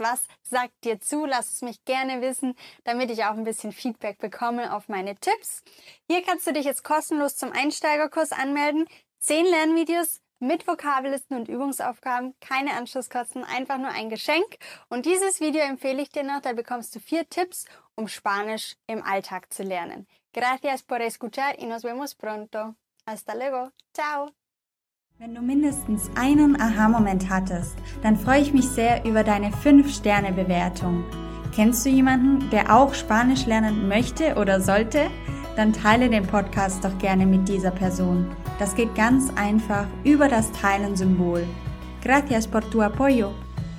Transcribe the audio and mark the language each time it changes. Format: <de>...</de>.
<de>Was sagt dir zu? Lass es mich gerne wissen, damit ich auch ein bisschen Feedback bekomme auf meine Tipps. Hier kannst du dich jetzt kostenlos zum Einsteigerkurs anmelden. 10 Lernvideos mit Vokabellisten und Übungsaufgaben, keine Anschlusskosten, einfach nur ein Geschenk. Und dieses Video empfehle ich dir noch, da bekommst du 4 Tipps, um Spanisch im Alltag zu lernen.</de> <es>Gracias por escuchar y nos vemos pronto. Hasta luego. Ciao.</es> <de>Wenn du mindestens einen Aha-Moment hattest, dann freue ich mich sehr über deine 5-Sterne-Bewertung. Kennst du jemanden, der auch Spanisch lernen möchte oder sollte? Dann teile den Podcast doch gerne mit dieser Person. Das geht ganz einfach über das Teilen-Symbol.</de> <es>Gracias por tu apoyo.</es>